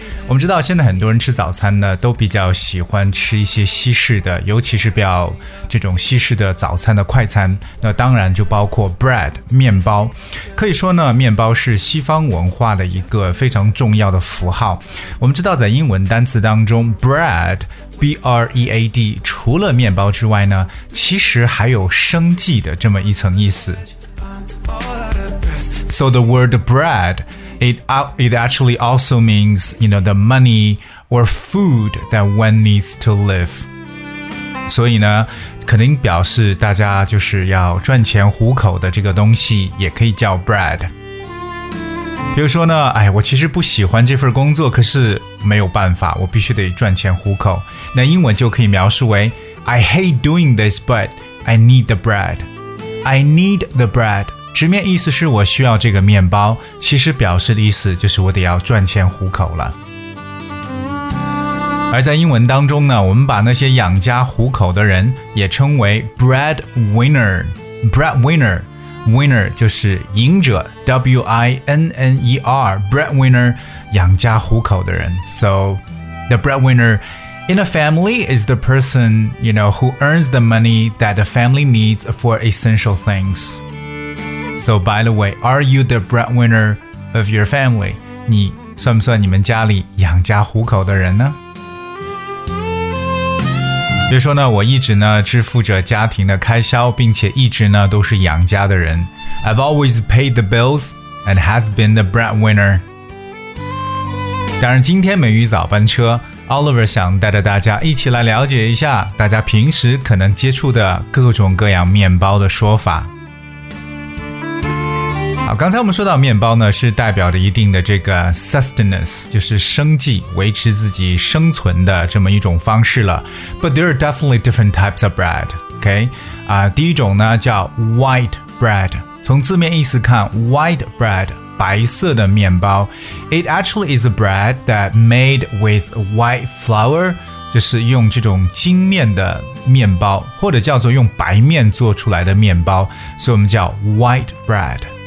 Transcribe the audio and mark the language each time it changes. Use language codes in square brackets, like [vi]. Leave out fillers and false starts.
[zh] 我们知道现在很多人吃早餐呢，都比较喜欢吃一些西式的，尤其是比较这种西式的早餐的快餐，那当然就包括 bread 面包。可以说呢，面包是西方文化的一个非常重要的符号。我们知道在英文单词当中 bread B-R-E-A-D 除了面包之外呢，其实还有生计的这么一层意思。 [en] So the word bread, it actually also means, you know, the money or food that one needs to live. [zh] 所以呢，肯定表示大家就是要赚钱糊口的这个东西也可以叫 bread. 比如说呢，哎，我其实不喜欢这份工作，可是没有办法，我必须得赚钱糊口。那英文就可以描述为 [en] I hate doing this, but I need the bread. I need the bread. [zh] 直面意思是我需要这个面包，其实表示的意思就是我得要赚钱糊口了。而在英文当中呢，我们把那些养家糊口的人也称为 breadwinner。 breadwinner， winner 就是赢者 ，W-I-N-N-E-R， breadwinner， 养家糊口的人。 [en] So the breadwinner in a family is the person you know who earns the money that the family needs for essential things. So by the way, are you the breadwinner of your family? [zh] 你算不算你们家里养家糊口的人呢？比如说呢，我一直呢支付着家庭的开销，并且一直呢都是养家的人。 [en] I've always paid the bills and has been the breadwinner. [zh] 当然今天美语早班车 Oliver 想带着大家一起来了解一下大家平时可能接触的各种各样面包的说法。好，刚才我们说到面包呢，是代表着一定的这个 sustenance， 就是生计，维持自己生存的这么一种方式了。 [en] But there are definitely different types of bread, okay? [zh] 啊，第一种呢叫 white bread， 从字面意思看 ，white bread， 白色的面包。 [en] It actually is a bread that made with white flour， [zh] 就是用这种精面的面包，或者叫做用白面做出来的面包，所以我们叫 white bread。